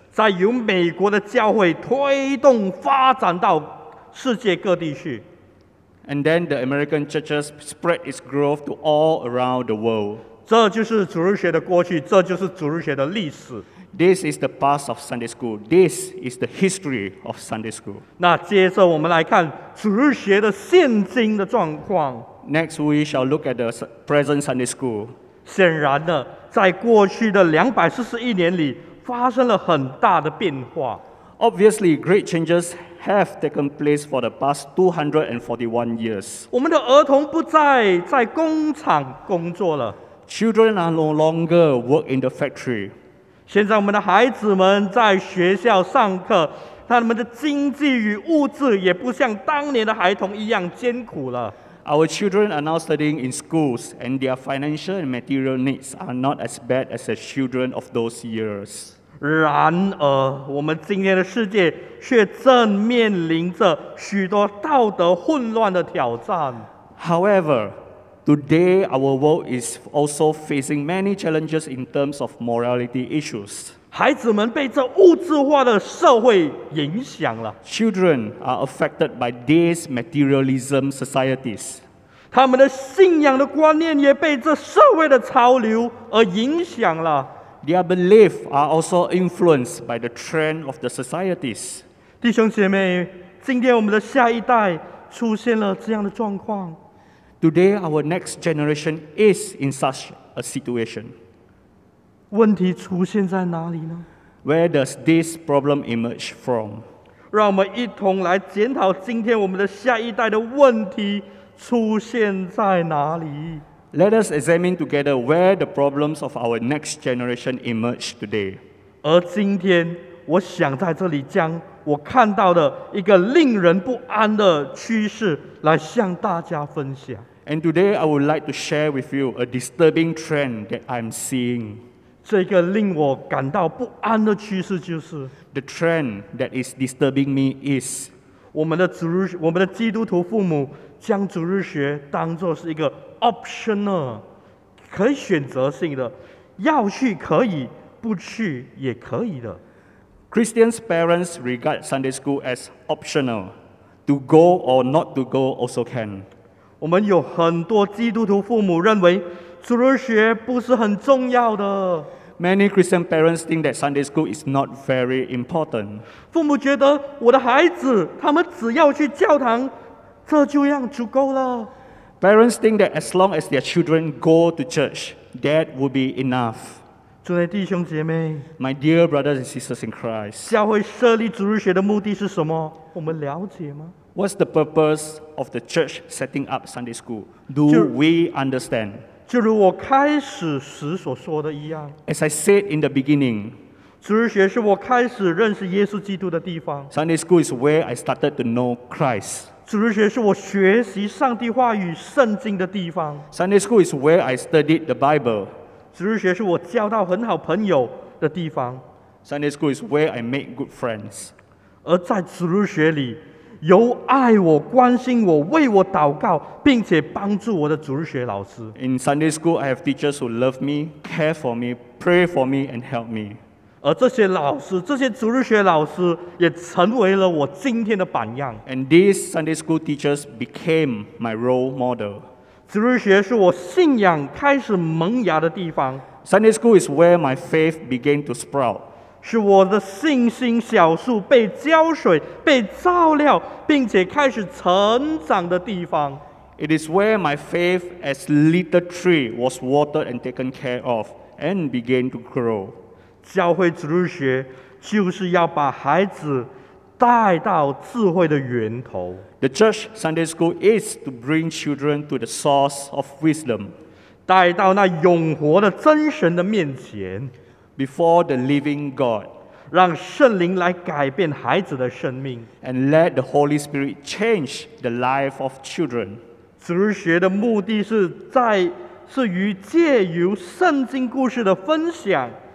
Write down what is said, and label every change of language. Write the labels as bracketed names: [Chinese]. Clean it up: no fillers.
[Chinese] 在由美国的教会推动发展到世界各地去。 [English] And then the American churches spread its growth to all around the world. [Chinese] 这就是主日学的过去，这就是主日学的历史。 [English] This is the past of Sunday school. This is the history of Sunday school. [Chinese] 那接着我们来看主日学的现今的状况。 [English] Next, we shall look at the present Sunday school. [Chinese] 显然呢，在过去的241年里，发生了很大的变化。 [English] Obviously, great changes have taken place for the past 241 years. [Chinese] 我们的儿童不再在工厂工作了。 [English] Children are no longer work in the factory. [Chinese] 现在我们的孩子们在学校上课，他们的经济与物质也不像当年的孩童一样艰苦了。 [English] Our children are now studying in schools, and their financial and material needs are not as bad as the children of those years. [Chinese] 然而，我们今天的世界却正面临着许多道德混乱的挑战。 [English] However,Today, our world is also facing many challenges in terms of morality issues. [Chinese] 孩子们被这物质化的社会影响了。 [English] Children are affected by these materialism societies. [Chinese] 他们的信仰的观念也被这社会的潮流而影响了。 [English] Their beliefs are also influenced by the trend of the societies. [Chinese] 弟兄姐妹，今天我们的下一代出现了这样的状况。 [English] Today, our next generation is in such a situation. [Chinese] 问题出现在哪里呢？ [English] Where does this problem emerge from? [Chinese] 让我们一同来检讨今天我们的下一代的问题出现在哪里。 [English] Let us examine together where the problems of our next generation emerge today. [Chinese] 而今天，我想在这里将我看到的一个令人不安的趋势来向大家分享。 [English] And today I would like to share with you a disturbing trend that I'm seeing. [Chinese] 这个令我感到不安的趋势就是 [English] The trend that is disturbing me is [Chinese] 我们的基督徒父母将主日学当作是一个Optional, 可以选择性的，要去可以，不去也可以的。 [English] Christians' parents regard Sunday school as optional. To go or not to go also can. [Chinese] 我们有很多基督徒父母认为主日学不是很重要的。 [English] Many Christian parents think that Sunday school is not very important. [Chinese] 父母觉得我的孩子，他们只要去教堂，这就让足够了。 [English] Parents think that as long as their children go to church, that would be enough. [Chinese] 主内弟兄姐妹 [English] My dear brothers and sisters in Christ, [Chinese] 教会设立主日学的目的是什么？我们了解吗？ [English] What's the purpose of the church setting up Sunday school? Do we understand? [Chinese] 就如我开始时所说的一样 [English] As I said in the beginning, [Chinese] 主日学是我开始认识耶稣基督的地方 [English] Sunday school is where I started to know Christ. [Chinese] 主日学是我学习上帝话语圣经的地方。 [English] Sunday school is where I studied the Bible. [Chinese] 主日学是我交到很好朋友的地方。 [English] Sunday school is where I make good friends. [Chinese] 而在主日学里，有爱我、关心我、为我祷告，并且帮助我的主日学老师。 [English] In Sunday school, I have teachers who love me, care for me, pray for me, and help me. [Chinese] 而这些老师，这些主日学老师也成为了我今天的榜样。 [English] And these Sunday school teachers became my role model. [Chinese] 主日学是我信仰开始萌芽的地方。 [English] Sunday school is where my faith began to sprout. [Chinese] 是我的信心小树被浇水、被照料，并且开始成长的地方。 [English] It is where my faith as little tree was watered and taken care of and began to grow. [Chinese] 教会主日学就是要把孩子带到智慧的源头。 [English] The church Sunday school is to bring children to the source of wisdom. [Chinese] 带到那永活的真神的面前。 [English] Before the living God. [Chinese] 让圣灵来改变孩子的生命。 [English] And let the Holy Spirit change the life of children. [Chinese] 主日学的目的是于借由圣经故事的分享。